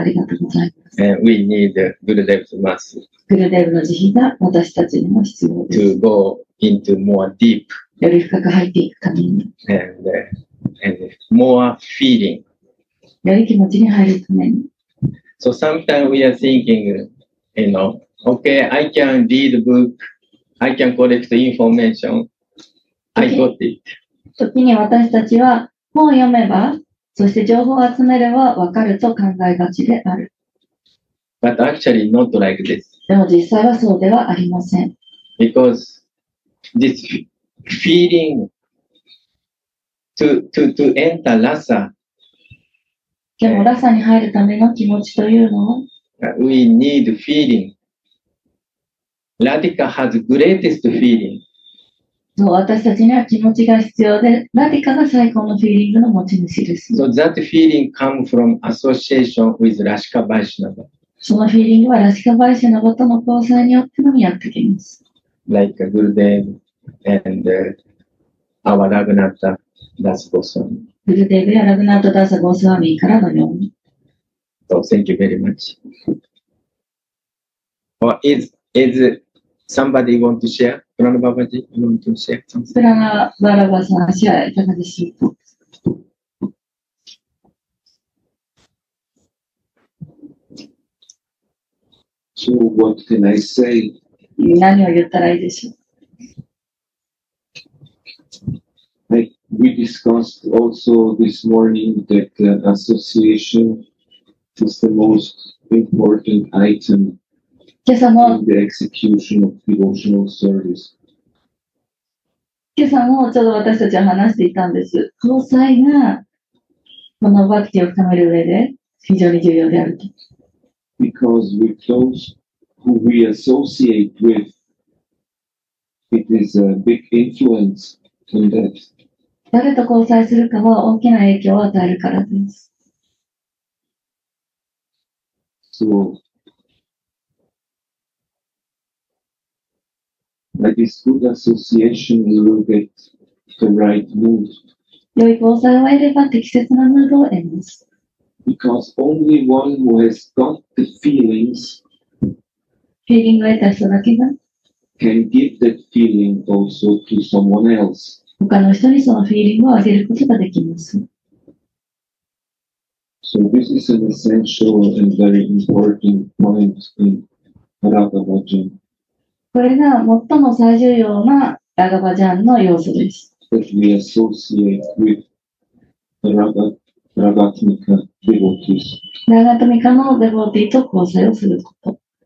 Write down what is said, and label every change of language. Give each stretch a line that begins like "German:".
Japanese: ありがとうございます。
English: We need Gurudev's mercy.
Japanese: Gurudev の慈悲が私たちにも必要です。
English: To go into more deep.
Japanese: より深く入っていくために。
English: And more feeling.
Japanese: より気持ちに入るために。
English: So sometimes we are thinking, you know, okay, I can read book, I can collect information, I got it.
Japanese: 時に私たちは本を読めば、そして情報を集めればわかると考えがちである。
English: But actually not like this.
Japanese: でも実際はそうではありません。
English: Because this feeling to enter Rasa.
Japanese: でもラサに入るための気持ちというの
English: は We need feeling. Radhika has greatest feeling.
Japanese: そう、私たちには気持ちが必要で、ラディカが最高のフィーリングの持ち主です。
English: So that feeling comes from association with Rashika Vaishnava.
Japanese: そのフィーリングはラシカ・バイシュナバとの交際によってのみやってきます。
English: Like a Gurudev and our Raghunatha Dasa Goswami.
Japanese: Gurudev やラグナタ・ダサ・ゴスワミからのように。
English: So thank you very much. Or is somebody want to share?
Japanese: プラナバラバジ、プラナバラバジ、プラナバラバさん、シェアいかがでしょうか。
English: So what can I say?
Japanese: 何を言ったらいいでしょう。
English: Like we discussed also this morning that association is the most important item.
Japanese: 今朝も、
English: the execution of devotional service.
Japanese: 今朝もちょうど私たちは話していたんです。交際がこのバクティを深める上で非常に重要であると。
English: Because with those who we associate with, it is a big influence on that.
Japanese: 誰と交際するかは大きな影響を与えるからです。
English: So,That is good association, you will get the right mood.
Japanese: 良い交際を得れば適切なムードを得ます。
English: Because only one who has got the feelings,
Japanese: フィーリングを得た人だけが、
English: can give that feeling also to someone else.
Japanese: 他の人にそのフィーリングをあげることができます。
English: So this is an essential and very important point in Radha Bhajan.
Japanese: これが最も最重要なラガバジャンの要素です。
English: That we associate with Ragatmika devotees.
Japanese: Ragatmika のデボティと交際をすること。